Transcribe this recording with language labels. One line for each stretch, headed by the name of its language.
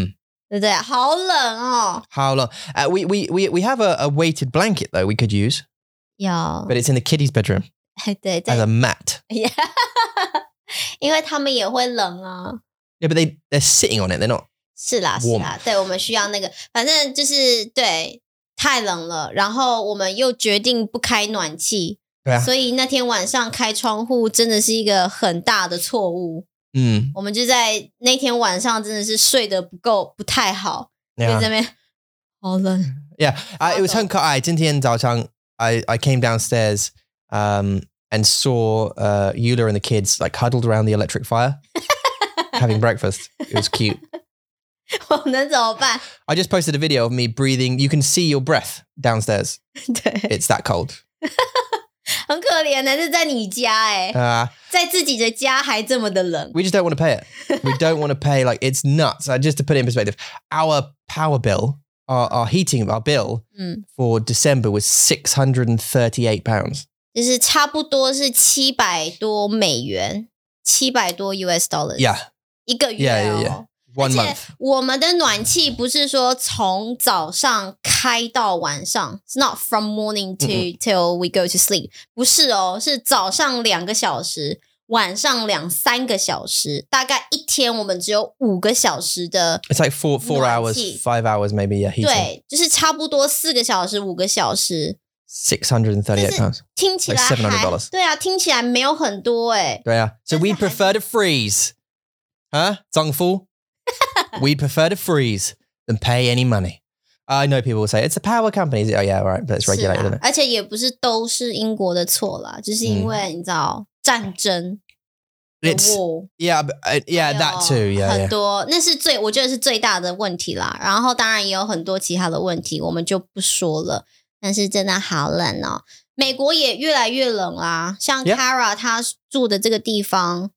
Chinese: 尤其是那个被子，还有那个床。哦，你躺下去好像在躺冰块一样。嗯，对不对？好冷哦。好冷。
English: We have a weighted blanket though we could use. Yeah. But it's in the kiddies' bedroom. as a mat.
Chinese: Yeah. 因为他们也会冷啊。
English: Yeah, but they're sitting on it. They're not
Chinese: 是啦, warm. 是啦, 对, 我们需要那个, 反正就是, 对, 太冷了, 然后我们又决定不开暖气, 对啊。所以那天晚上开窗户真的是一个很大的错误。嗯, 我们就在那天晚上真的是睡得不够, 不太好, 因为这边, yeah. 好冷。
English: Yeah, it was
Chinese: 很可爱, 今天早上,
English: I came downstairs and saw Yula and the kids like huddled around the electric fire having breakfast. It was cute.
Chinese: 我能怎么办?
English: I just posted a video of me breathing. You can see your breath downstairs. It's that cold.
Chinese: 很可怜的,这在你家耶。在自己的家还这么的冷。
English: We just don't want to pay it. We don't want to pay, like, it's nuts. Just to put it in perspective, our power bill, our heating, our bill for December was £638.
Chinese: 就是差不多是700多美元, 700多
English: US dollars. Yeah.
Chinese: 一个月哦。
English: Yeah, yeah, yeah. One month.
Chinese: 而且我们的暖气不是说从早上开到晚上,
English: it's not from morning to till we go to sleep.
Chinese: 不是哦, 是早上2个小时, 晚上2-3个小时, 大概一天我们只有5个小时的
English: It's like four hours, 5 hours maybe, yeah, heating.
Chinese: 对,就是差不多4个小时,5个小时。
English: 638 pounds.
Chinese: 听起来还,
English: like $700.
Chinese: 对啊, 听起来没有很多耶。对啊,
English: so we prefer to freeze. Huh? 丈夫? We prefer to freeze than pay any money. I know people will say, it's a power company. Oh yeah, right, but it's regulated, isn't it?
Chinese: 而且也不是都是英国的错啦,就是因为你知道, 战争,
English: it's, yeah, that too, yeah.
Chinese: 很多, 那是最, 我觉得是最大的问题啦, 然后当然也有很多其他的问题, 我们就不说了。但是真的好冷哦。美国也越来越冷啊。像Kara她住的这个地方。